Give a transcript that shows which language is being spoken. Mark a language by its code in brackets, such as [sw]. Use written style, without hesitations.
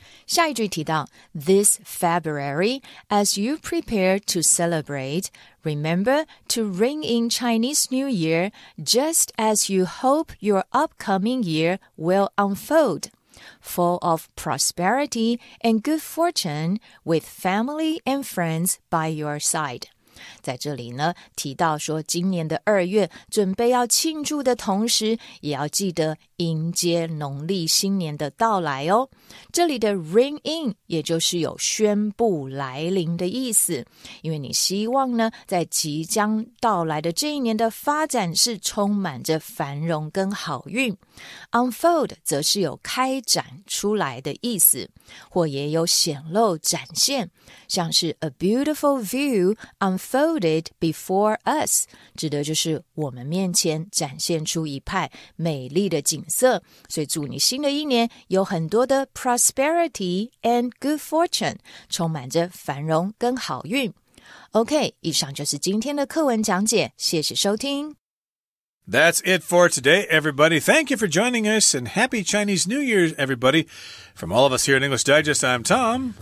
[zh] 下一句提到 [en] This February, as you prepare to celebrate, remember to ring in Chinese New Year just as you hope your upcoming year will unfold, full of prosperity and good fortune with family and friends by your side. [zh] 在这里呢提到说今年的二月准备要庆祝的同时，也要记得迎接农历新年的到来哦。这里的 ring in 也就是有宣布来临的意思，因为你希望呢在即将到来的这一年的发展是充满着繁荣跟好运。 unfold 则是有开展出来的意思，或也有显露展现，像是 [en] a beautiful view unfolded before us， [zh] 指的就是我们面前展现出一派美丽的景色。所以祝你新的一年有很多的 [en] prosperity and good fortune， [zh] 充满着繁荣跟好运。 OK， 以上就是今天的课文讲解，谢谢收听。 [en] That's it for today, everybody. Thank you for joining us, and happy Chinese New Year, everybody. From all of us here at English Digest, I'm Tom.